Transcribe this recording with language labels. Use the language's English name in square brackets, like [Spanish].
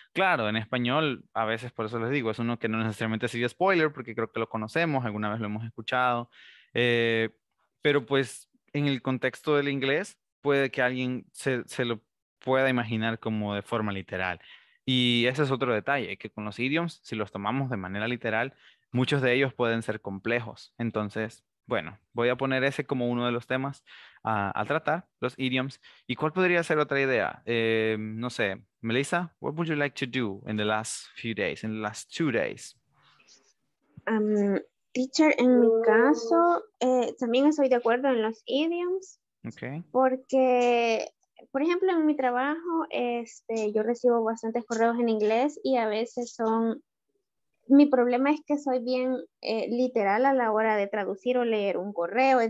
[Spanish] Claro, en español, a veces, por eso les digo, es uno que no necesariamente sería spoiler, porque creo que lo conocemos, alguna vez lo hemos escuchado, pero pues, en el contexto del inglés, puede que alguien se lo pueda imaginar como de forma literal. Y ese es otro detalle, que con los idioms, si los tomamos de manera literal, muchos de ellos pueden ser complejos. Entonces, bueno, voy a poner ese como uno de los temas a tratar, los idioms. ¿Y cuál podría ser otra idea? No sé, [English] Melissa, what would you like to do in the last few days, in the last 2 days? [Spanish] Teacher, en mi caso, también estoy de acuerdo en los idioms. [English] Okay. [Spanish] Porque, por ejemplo, en mi trabajo, yo recibo bastantes correos en inglés y a veces son... Mi problema es que soy bien literal a la hora de traducir o leer un correo.